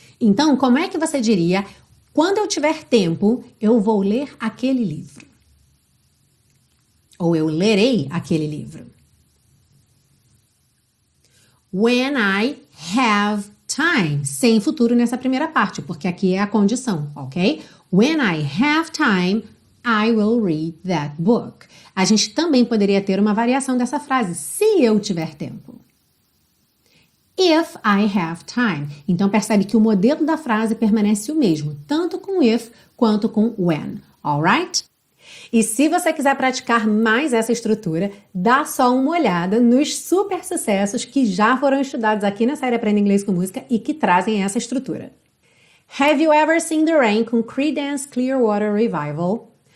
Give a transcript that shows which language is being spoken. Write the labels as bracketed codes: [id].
[pt] Então, como é que você diria: quando eu tiver tempo, eu vou ler aquele livro? Ou eu lerei aquele livro? [en] When I have time. [pt] Sem futuro nessa primeira parte, porque aqui é a condição, ok? [en] When I have time, I will read that book. [pt] A gente também poderia ter uma variação dessa frase, se eu tiver tempo. [en] If I have time. [pt] Então percebe que o modelo da frase permanece o mesmo, tanto com if quanto com when. [en] All right? [pt] E se você quiser praticar mais essa estrutura, dá só uma olhada nos super sucessos que já foram estudados aqui na série Aprenda Inglês com Música e que trazem essa estrutura. [en] Have you ever seen the rain com Creedence Clearwater Revival?